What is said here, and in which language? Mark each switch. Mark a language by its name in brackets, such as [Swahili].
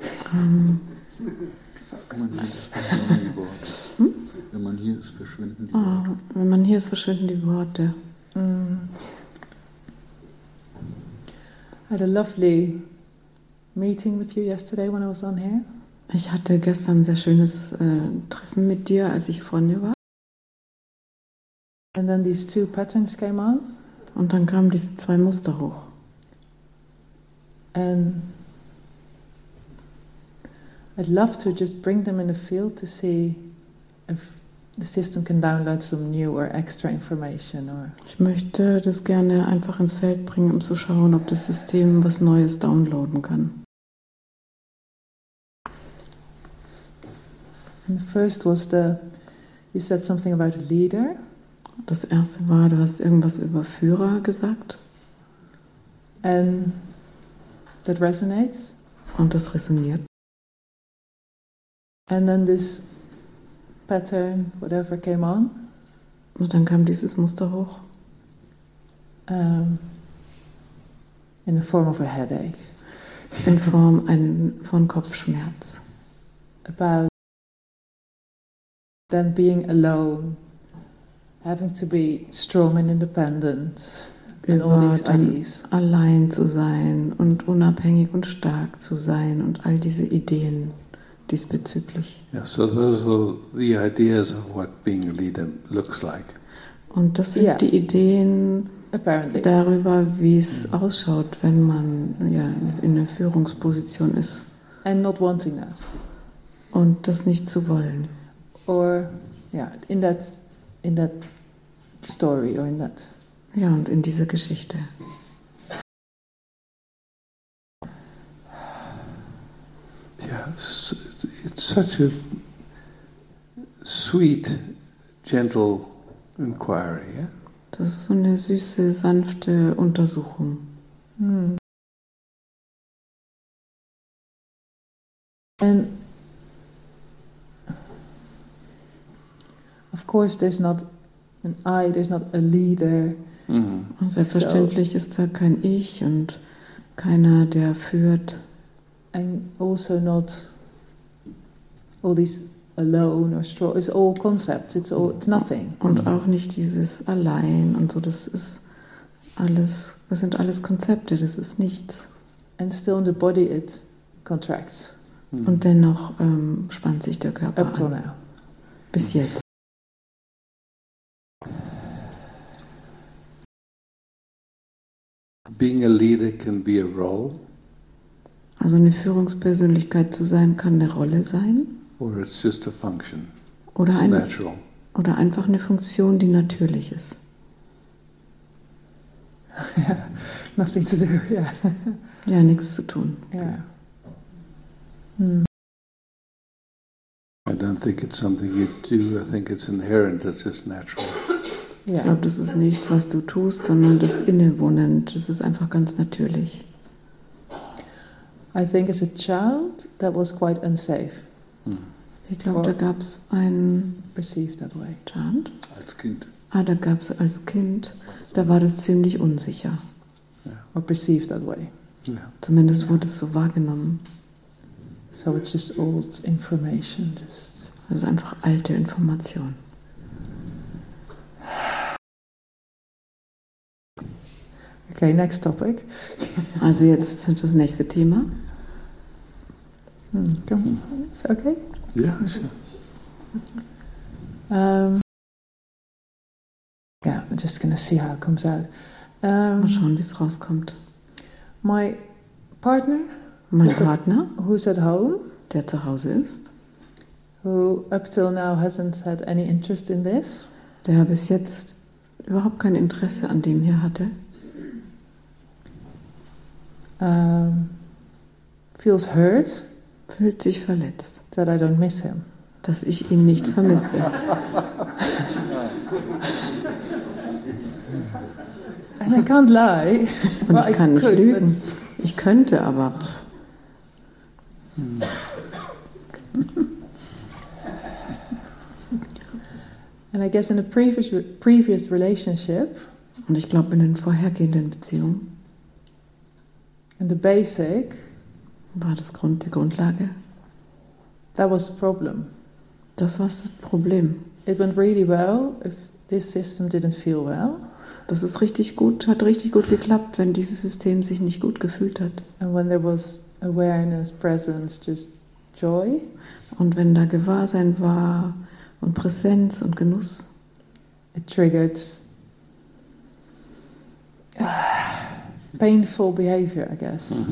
[German] Wenn man hier ist, verschwinden die Worte. Wenn man hier ist, verschwinden die Worte. [English] I had a lovely meeting with you yesterday when I was on here. [German] Ich hatte gestern ein sehr schönes Treffen mit dir, als ich vor dir war. [English] And then these two patterns came on. [German] Und dann kamen diese zwei Muster hoch. [English] And I'd love to just bring them in a field to see if the system can download some new or extra information. [German] Ich möchte das gerne einfach ins Feld bringen, um zu schauen, ob das System was Neues downloaden kann. [English] And the first was the, you said something about a leader. [German] Das erste war, du hast irgendwas über Führer gesagt. [English] And that resonates. [German] Und das resoniert. [English] And then this pattern, whatever, came on. [German] Und dann kam dieses Muster hoch. [English] In the form of a headache. [German] In Form von Kopfschmerz. [English] About then being alone, having to be strong and independent, and all these ideas. [German] Allein zu sein und unabhängig und stark zu sein und all diese Ideen diesbezüglich. [English] Yeah, so those are the ideas of what being a leader looks like. [German] Und das sind die Ideen [English] apparently [German] darüber, wie es ausschaut, wenn man in einer Führungsposition ist. [English] And not wanting that. [German] Und das nicht zu wollen. [English] Or in that story or in that. [German] Ja, und in dieser Geschichte. [English] Yeah, it's such a sweet, gentle inquiry. Yeah? [German] Das ist so eine süße, sanfte Untersuchung. [English] And of course, there's not an I, there's not a leader. Mm-hmm. [German] Und selbstverständlich ist da kein Ich und keiner, der führt. [English] And also not all these alone or strong. It's all concepts. It's nothing. [German] Und auch nicht dieses allein und so. Das ist alles. Das sind alles Konzepte. Das ist nichts. [English] And still in the body it contracts. [German] Mm-hmm. Und dennoch spannt sich der Körper [English] up till now. [German] Bis jetzt. [English] Being a leader can be a role. [German] Also eine Führungspersönlichkeit zu sein, kann eine Rolle sein. [English] Or it's just a function. [German] Oder [English] it's natural. [German] Oder einfach eine Funktion, die natürlich ist. [English] Yeah. Nothing to do, yeah. [German] Ja, nichts zu tun. [English] Yeah. I don't think it's something you do, I think it's inherent, it's just natural. [German] Ich glaube, das ist nichts, was du tust, sondern das Innewohnend. Das ist einfach ganz natürlich. [English] I think as a child, that was quite unsafe. [German] Hm. Ich glaube, da gab es ein... [English] Perceived that way. Child? [German] Als Kind. Ah, da gab es als Kind, da war das ziemlich unsicher. [English] Yeah. Or perceived that way. Yeah. [German] Zumindest wurde es so wahrgenommen. [English] So it's just old information. [German] Das ist einfach alte Information. [English] Okay, next topic. [German] Also jetzt das nächste Thema. Hm, ist okay? [English] Ja, yeah, sure. Yeah, I'm just gonna see how it comes out. [German] Mal schauen, wie es rauskommt. [English] My partner. [German] Mein Partner. [English] Who's at home. [German] Der zu Hause ist. [English] Who up till now hasn't had any interest in this. [German] Der bis jetzt überhaupt kein Interesse an dem hier hatte. [English] Feels hurt. [German] Fühlt sich verletzt. [English] That I don't miss him. [German] Dass ich ihn nicht vermisse. [English] And I can't lie. [German] Und ich kann nicht lügen. Ich könnte aber. [English] And I guess in a previous relationship. [German] Und ich glaube in den vorhergehenden Beziehungen. [English] And the basic [German] war das die Grundlage. [English] That was the problem. [German] Das war das Problem. [English] It went really well if this system didn't feel well. [German] Das ist richtig gut, hat richtig gut geklappt, wenn dieses System sich nicht gut gefühlt hat. [English] And when there was awareness, presence, just joy. [German] Und wenn da Gewahrsein war und Präsenz und Genuss, [English] it triggered painful behavior, I guess.